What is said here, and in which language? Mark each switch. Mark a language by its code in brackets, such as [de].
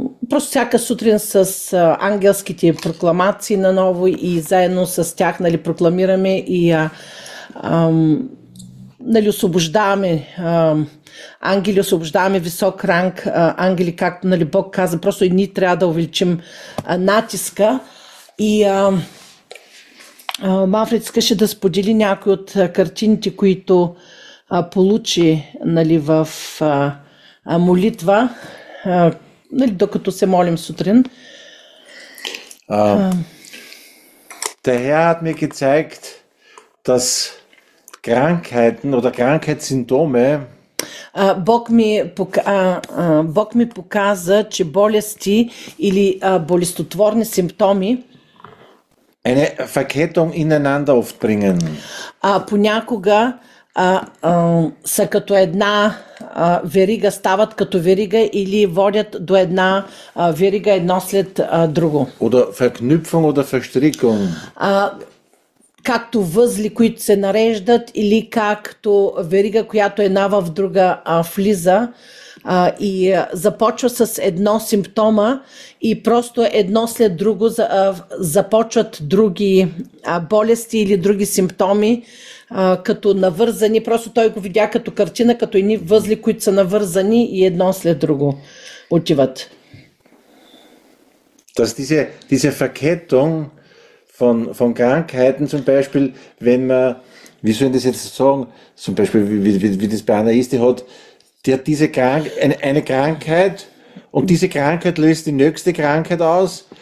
[bg] просто всяка сутрин с ангелските прокламации наново и заедно с тях, нали, прокламираме и нали, освобождаваме ангели, освобождаваме висок ранг ангели, както, нали, Бог каза, просто и ние трябва да увеличим натиска. И Манфред искаше да сподели някои от картините, които получи, нали, в молитва, нали, докато се молим сутрин. [de] Der Herr hat mir gezeigt, dass Krankheiten oder Krankheitssymptome [bg] Бог ми показа, че болести или болестотворни симптоми [de] eine Verkettung ineinander oft bringen. [bg] Понякога са като една верига, стават като верига или водят до една верига едно след друго. [de] Oder Verknüpfung oder Verstrickung. [bg] Както възли, които се нареждат, или както верига, която една в друга влиза и започва с едно симптома и просто едно след друго започват други болести или други симптоми, като навързани. Просто той го видя като картина, като едни възли, които са навързани и едно след друго отиват. [de] Dass diese Verkettung von Krankheiten zum Beispiel, wenn man, wie soll ich das jetzt sagen, zum Beispiel, wie das bei einer ist, die hat diese eine Krankheit und diese Krankheit löst die nächste Krankheit aus.